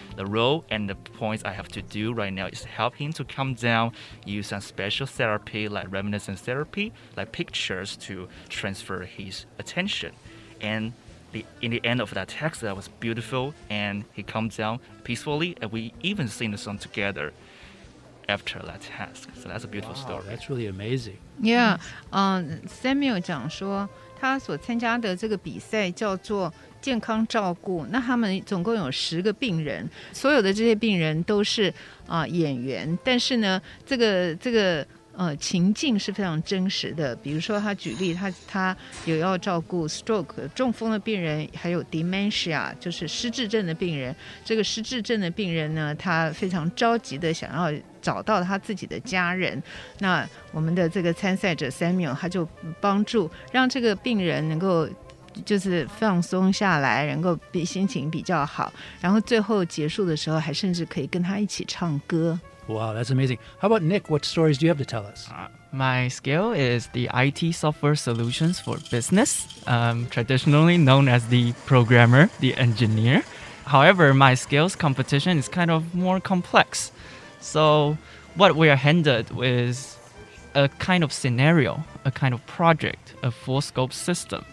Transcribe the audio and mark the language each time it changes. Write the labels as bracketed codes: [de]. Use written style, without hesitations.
[en] The role and the points I have to do right now is help him to calm down, use some special therapy like reminiscence therapy, like pictures to transfer his attention. And in the end of that text, that was beautiful, and he calmed down peacefully, and we even sing the song together after that task. So that's a beautiful story. That's really amazing. Yeah. [zh] Samuel 讲说他所参加的这个比赛叫做健康照顾，那他们总共有十个病人，所有的这些病人都是演员，但是呢这个情境是非常真实的。比如说他举例，他有要照顾 stroke 中风的病人，还有 dementia 就是失智症的病人。这个失智症的病人呢，他非常着急的想要找到他自己的家人，那我们的这个参赛者 Samuel 他就帮助让这个病人能够就是放松下来，能够心情比较好，然后最后结束的时候还甚至可以跟他一起唱歌。 [en] Wow, that's amazing. How about Nick? What stories do you have to tell us? My skill is the IT software solutions for business, traditionally known as the programmer, the engineer. However, my skills competition is kind of more complex. So what we are handed is a kind of scenario, a kind of project, a full-scope system.